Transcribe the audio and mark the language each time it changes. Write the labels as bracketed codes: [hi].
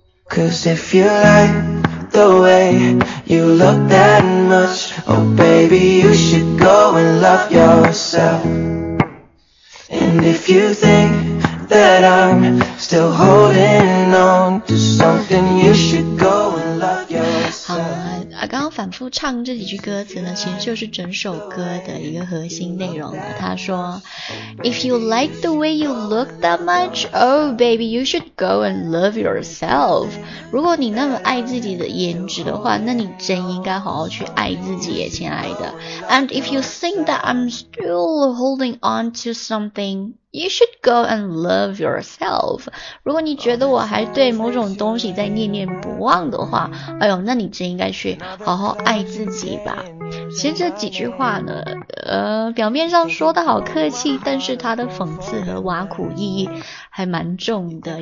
[en] Cause if you like the way you look that much, oh baby, you should go and love yourself. And if you thinkThat I'm still holding on to something, you should go and love yourself. [zh] 刚刚反复唱这几句歌词呢，其实就是整首歌的一个核心内容了。他说 [en] If you like the way you look that much, oh baby, you should go and love yourself. [zh] 如果你那么爱自己的颜值的话，那你真应该好好去爱自己耶，亲爱的。 [en] And if you think that I'm still holding on to something, You should go and love yourself. [zh] 如果你觉得我还对某种东西在念念不忘的话，哎呦，那你真应该去好好爱自己吧。其实这几句话呢，表面上说的好客气，但是它的讽刺和挖苦意义还蛮重的。